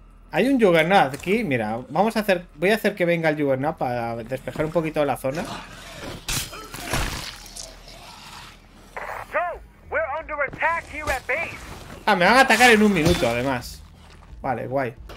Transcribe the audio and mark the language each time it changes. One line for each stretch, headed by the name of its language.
Spanish: Hay un Juggernaut aquí. Mira, vamos a hacer. Voy a hacer que venga el Juggernaut para despejar un poquito la zona.
English: So, we're under attack here at base.
Spanish: Ah, me van a atacar en un minuto, además. Vale, guay.